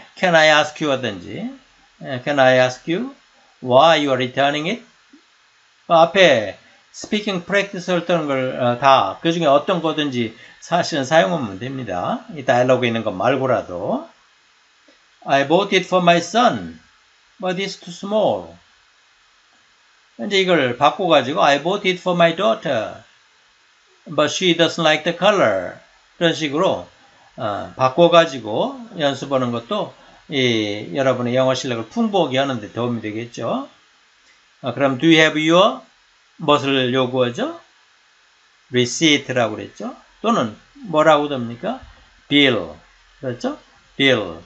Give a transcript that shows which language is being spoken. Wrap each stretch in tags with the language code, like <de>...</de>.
<en>Can I ask you</en> <ko>하든지</ko> <en>Can I ask you why you are returning it?</en> <ko>앞에 스피킹 프랙티스 했던 걸다그 중에 어떤 거든지 사실은 사용하면 됩니다. 이 다이얼로그 있는 거 말고라도</ko> <en>I bought it for my son, but it's too small.</en> <ko>이제 이걸 바꿔가지고</ko> <en>I bought it for my daughter, but she doesn't like the color.</en> <ko>이런 식으로 바꿔가지고 연습하는 것도 이 여러분의 영어 실력을 풍부하게 하는 데 도움이 되겠죠. 그럼</ko> <en>do you have your</en> <ko>무엇을 요구하죠? Receipt라고 그랬죠? 또는 뭐라고 됩니까? Bill. 그랬죠? Bill.</ko>